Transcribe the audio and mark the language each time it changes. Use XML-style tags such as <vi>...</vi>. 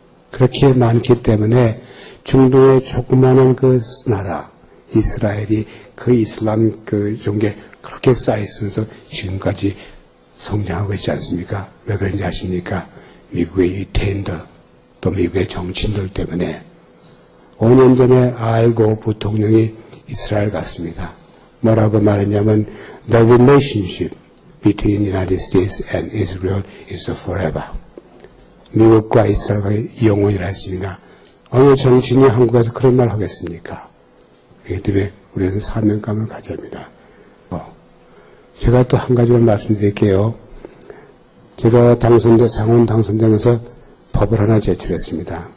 <ko>그렇게 많기 때문에 중동의 조그마한 그 나라 이스라엘이 그 이슬람 그 종교 그렇게 쌓이면서 지금까지 성장하고 있지 않습니까? 왜 그런지 아십니까? 미국의 유태인들 또 미국의 정치인들 때문에. 5년 전에 알고 부통령이 이스라엘 갔습니다. 뭐라고 말했냐면</ko> <en>The relationship between United States and Israel is forever.</en> <ko>미국과 이스라엘이 영원이라 했습니다. 어느 정신이 한국에서 그런 말 하겠습니까? 그렇기 때문에 우리는 사명감을 가져야 합니다. 제가 또 한 가지만 말씀드릴게요. 제가 상원 당선되면서 법을 하나 제출했습니다.</ko>